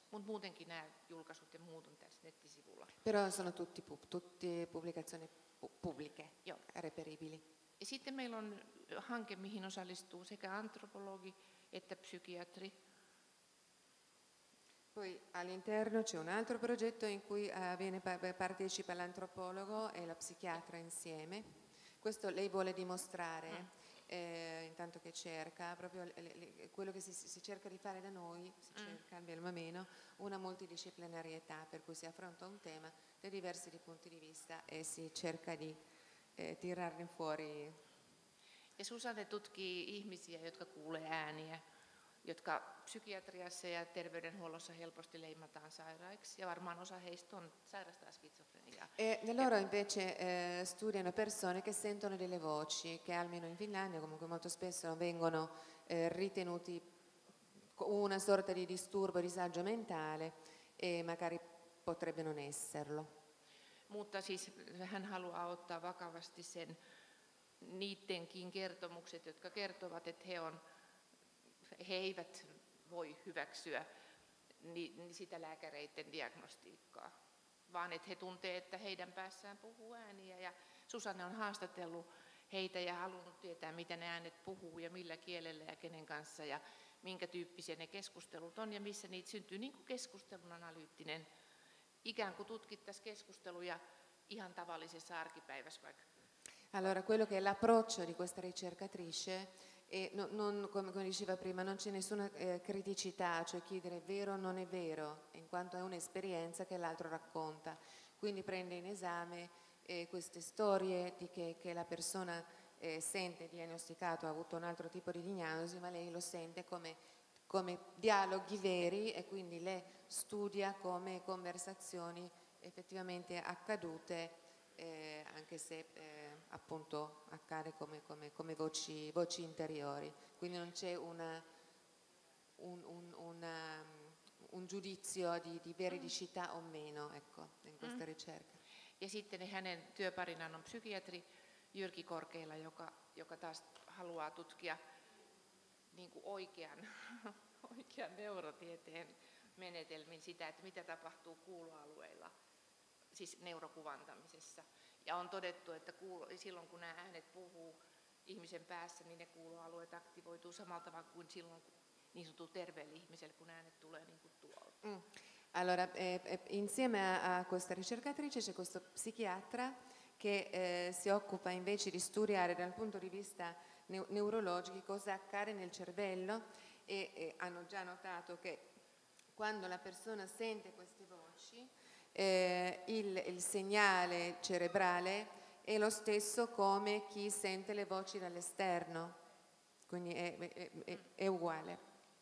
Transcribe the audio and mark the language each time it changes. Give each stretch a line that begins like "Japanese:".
Finnish: Mutta muutenkin nämä julkaisut ja muut on tässä nettisivulla.
Italian: Però sono tutti pubblicazioni pubbliche, reperibili.
Finnish: Ja sitten meillä on hanke, mihin osallistuu sekä antropologi että psykiatri.
Italian: Poi all'interno c'è un altro progetto in cui partecipa l'antropologo e la psichiatra insieme. Questo lei vuole dimostrare, intanto che cerca, proprio quello che si cerca di fare da noi, si cerca almeno meno, una multidisciplinarietà per cui si affronta un tema da diversi punti di vista e si cerca di tirarne fuori.
Finnish: E Susanne tutkii ihmisiä, jotka kuulee ääniä, jotka psykiatriassa ja terveydenhuollossa helposti leimataan sairaiksi ja varmaan osa heistä on sairastaa skitsofreniaa.
Italian: E loro invece studiano persone che sentono delle voci che almeno in Finlandia comunque molto spesso vengono ritenuti una sorta di disturbo, disagio mentale e magari potrebbe non esserlo.
Finnish: Mutta siis hän haluaa ottaa vakavasti sen niittenkin kertomukset, jotka kertovat, että he eivät voi hyväksyä sitä lääkäreiden diagnostiikkaa, vaan että he tuntevat, että heidän päässään puhuu ääniä. Ja Susanne on haastatellut heitä ja halunnut tietää, mitä ne äänet puhuu ja millä kielellä ja kenen kanssa ja minkä tyyppisiä ne keskustelut on ja missä niitä syntyy, niin kuin keskustelun analyyttinen. Ikään kuin tutkittaisi keskusteluja ihan tavallisessa arkipäivässä vaikka.
Italian: Allora, quello che è l'approccio di questa ricercatrice, e non, come diceva prima, non c'è nessuna criticità, cioè chiedere vero o non è vero, in quanto è un'esperienza che l'altro racconta. Quindi prende in esame queste storie di che la persona sente diagnosticato, ha avuto un altro tipo di diagnosi, ma lei lo sente come dialoghi veri e quindi le studia come conversazioni effettivamente accadute, anche se appunto accade come voci interiori, quindi non c'è un giudizio di veridicità o meno, ecco, in questa ricerca.
Finnish: Ja sitten hänen työparinaan on psykiatri Jyrki Korkeila, joka taas haluaa tutkia niin kuin oikean neurotieteen menetelmin sitä, että mitä tapahtuu kuuloalueilla, siis neurokuvantamisessa. Ja on todettu, että silloin kun nämä äänet puhuu ihmisen päässä, niin ne kuuloalueet aktivoituu samalla tavalla kuin silloin niin sanottu terveellä ihmisellä, kun äänet tulee niin kuin tuolta. Mm.
Italian: Allora, insieme a questa ricercatrice c'è questo psichiatra che si occupa invece di studiare dal punto di vista neurologico cosa accade nel cervello e hanno già notato che quando la persona sente queste voci il segnale cerebrale è lo stesso come chi sente le voci dall'esterno, quindi è uguale.